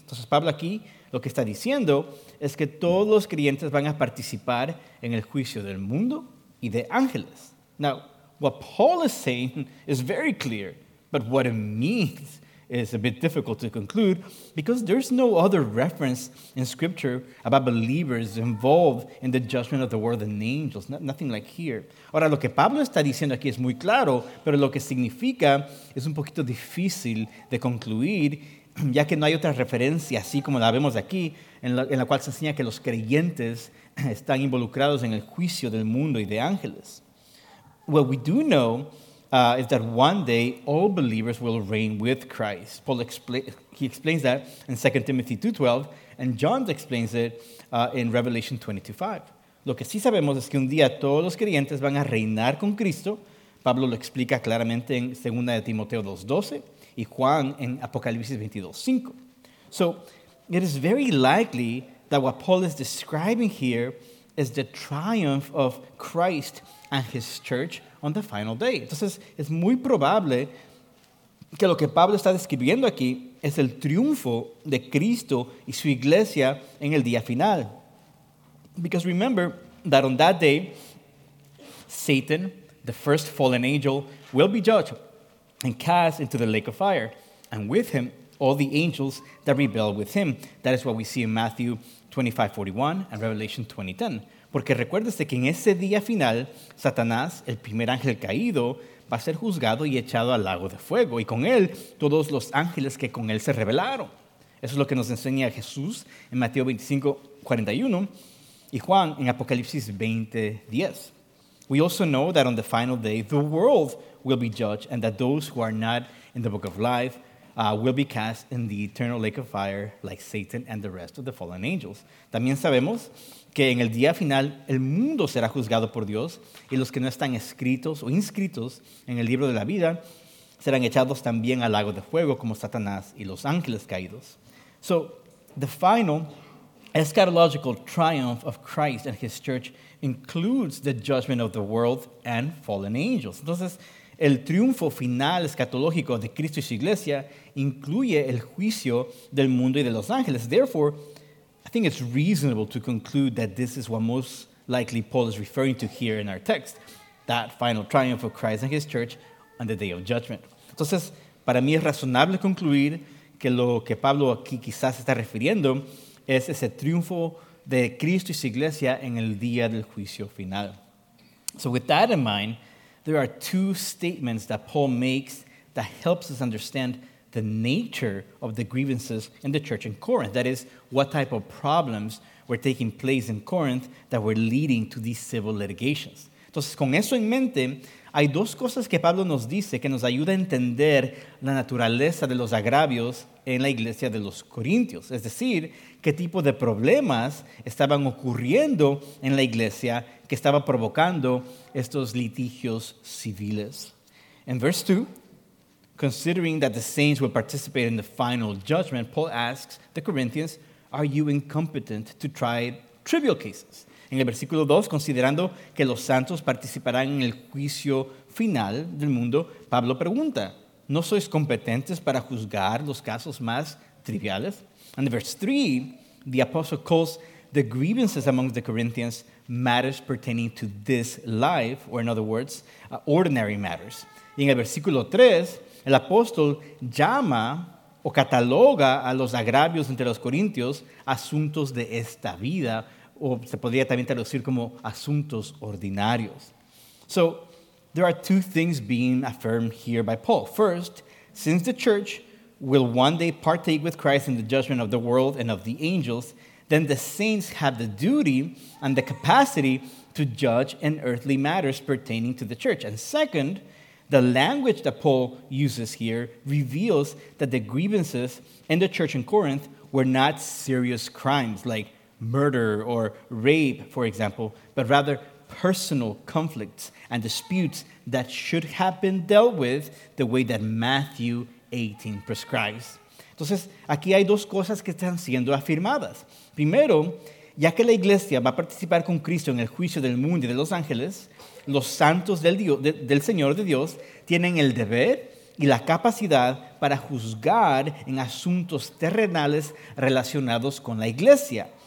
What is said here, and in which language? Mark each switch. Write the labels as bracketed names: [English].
[Spanish] Entonces, Pablo aquí lo que está diciendo es que todos los creyentes van a participar en el juicio del mundo y de ángeles. [English] Now, what Paul is saying is very clear, but what it means is a bit difficult to conclude because there's no other reference in Scripture about believers involved in the judgment of the world and angels. Nothing like here. [Spanish] Ahora, lo que Pablo está diciendo aquí es muy claro, pero lo que significa es un poquito difícil de concluir, ya que no hay otra referencia, así como la vemos aquí, en la cual se enseña que los creyentes están involucrados en el juicio del mundo y de ángeles. [English] What we do know is that one day all believers will reign with Christ. Paul explains that in 2 Timothy 2:12, and John explains it in Revelation 22:5. [Spanish] Lo que sí sabemos es que un día todos los creyentes van a reinar con Cristo. Pablo lo explica claramente en 2 Timoteo 2:12 y Juan en Apocalipsis 22:5. [English] So, it is very likely that what Paul is describing here is the triumph of Christ and his church on the final day. [Spanish] Entonces, es muy probable que lo que Pablo está describiendo aquí es el triunfo de Cristo y su iglesia en el día final. [English] Because remember that on that day, Satan, the first fallen angel, will be judged and cast into the lake of fire, and with him, all the angels that rebel with him. That is what we see in Matthew 25:41 and Revelation 20:10. [Spanish] Porque recuérdese que en ese día final, Satanás, el primer ángel caído, va a ser juzgado y echado al lago de fuego. Y con él, todos los ángeles que con él se rebelaron. Eso es lo que nos enseña Jesús en Mateo 25:41 y Juan en Apocalipsis 20:10. [English] We also know that on the final day, the world will be judged and that those who are not in the book of life will be cast in the eternal lake of fire like Satan and the rest of the fallen angels. [Spanish] También sabemos que en el día final el mundo será juzgado por Dios y los que no están escritos o inscritos en el libro de la vida serán echados también al lago de fuego como Satanás y los ángeles caídos. [English] So, the final eschatological triumph of Christ and his church includes the judgment of the world and fallen angels. [Spanish] Entonces, el triunfo final escatológico de Cristo y su iglesia incluye el juicio del mundo y de los ángeles. [English] Therefore, I think it's reasonable to conclude that this is what most likely Paul is referring to here in our text, that final triumph of Christ and his church on the day of judgment. [Spanish] Entonces, para mí es razonable concluir que lo que Pablo aquí quizás está refiriendo es ese triunfo de Cristo y su iglesia en el día del juicio final. [English] So with that in mind, there are two statements that Paul makes that helps us understand the nature of the grievances in the church in Corinth. That is, what type of problems were taking place in Corinth that were leading to these civil litigations. [Spanish] Entonces, con eso en mente, hay dos cosas que Pablo nos dice que nos ayuda a entender la naturaleza de los agravios en la iglesia de los Corintios. Es decir, qué tipo de problemas estaban ocurriendo en la iglesia que estaba provocando estos litigios civiles. [English] En verse 2, considering that the saints will participate in the final judgment, Paul asks the Corinthians, are you incompetent to try trivial cases? [Spanish] En el versículo 2, considerando que los santos participarán en el juicio final del mundo, Pablo pregunta, ¿no sois competentes para juzgar los casos más triviales? En el [English] verse 3, the apostle calls the grievances among the Corinthians matters pertaining to this life, or in other words, ordinary matters. [Spanish] Y en el versículo 3, el apóstol llama o cataloga a los agravios entre los corintios asuntos de esta vida, o se podría también traducir como asuntos ordinarios. [English] So, there are two things being affirmed here by Paul. First, since the church will one day partake with Christ in the judgment of the world and of the angels, then the saints have the duty and the capacity to judge in earthly matters pertaining to the church. And second, the language that Paul uses here reveals that the grievances in the church in Corinth were not serious crimes like murder or rape, for example, but rather personal conflicts and disputes that should have been dealt with the way that Matthew 18 prescribes. [Spanish] Entonces, aquí hay dos cosas que están siendo afirmadas. Primero, ya que la iglesia va a participar con Cristo en el juicio del mundo y de los ángeles, los santos del Señor de Dios tienen el deber y la capacidad para juzgar en asuntos terrenales relacionados con la iglesia.